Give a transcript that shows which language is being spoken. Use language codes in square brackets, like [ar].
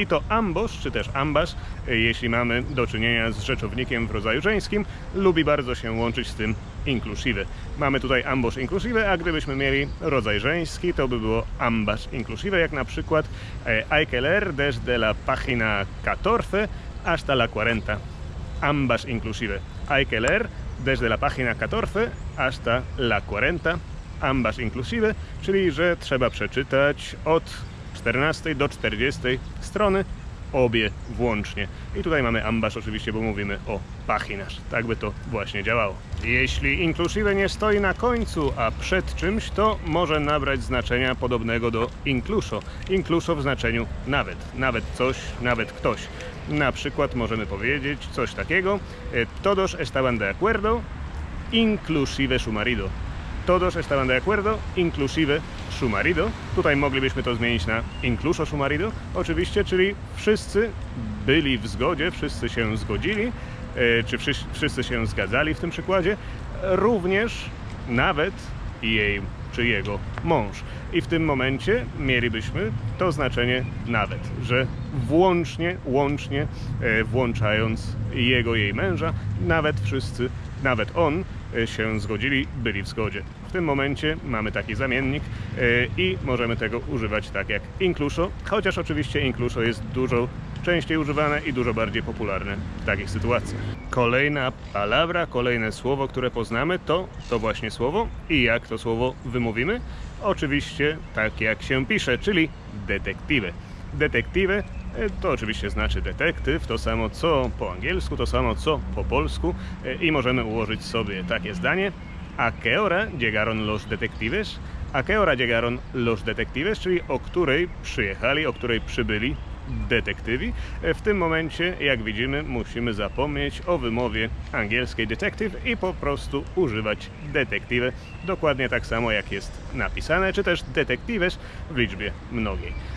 [pl] I to ambos, czy też ambas, jeśli mamy do czynienia z rzeczownikiem w rodzaju żeńskim, lubi bardzo się łączyć z tym inclusive. Mamy tutaj [es] ambos inclusive, [pl] a gdybyśmy mieli rodzaj żeński, to by było [es] ambas inclusive, [pl] jak na przykład [es] hay que leer desde la página 14 hasta la 40. Ambas inclusive. Hay que leer desde la página 14 hasta la 40. ambas inclusive, [pl] czyli że trzeba przeczytać od 14 do 40 strony obie włącznie. I tutaj mamy ambas oczywiście, bo mówimy o pachinas. Tak by to właśnie działało. Jeśli inclusive nie stoi na końcu, a przed czymś, to może nabrać znaczenia podobnego do incluso. Incluso w znaczeniu nawet. Nawet coś, nawet ktoś. Na przykład możemy powiedzieć coś takiego. [es] Todos estaban de acuerdo, inclusive su marido. Todos estaban de acuerdo, inclusive su marido. [pl] Tutaj moglibyśmy to zmienić na [es] incluso su marido. [pl] Oczywiście, czyli wszyscy byli w zgodzie, wszyscy się zgodzili, czy wszyscy się zgadzali w tym przykładzie, również nawet jej czy jego mąż. I w tym momencie mielibyśmy to znaczenie nawet, że włącznie, łącznie, włączając jego, jej męża, nawet wszyscy, nawet on, się zgodzili, byli w zgodzie. W tym momencie mamy taki zamiennik i możemy tego używać tak jak incluso, chociaż oczywiście incluso jest dużo częściej używane i dużo bardziej popularne w takich sytuacjach. Kolejna palabra, kolejne słowo, które poznamy, to właśnie słowo. I jak to słowo wymówimy? Oczywiście tak jak się pisze, czyli detective. Detective to oczywiście znaczy detektyw, to samo co po angielsku, to samo co po polsku. I możemy ułożyć sobie takie zdanie. [es] A qué hora llegaron los detectives? A qué hora llegaron los detectives? [pl] Czyli o której przyjechali, o której przybyli detektywi. W tym momencie, jak widzimy, musimy zapomnieć o wymowie angielskiej detective i po prostu używać detective, dokładnie tak samo jak jest napisane, czy też detectives w liczbie mnogiej.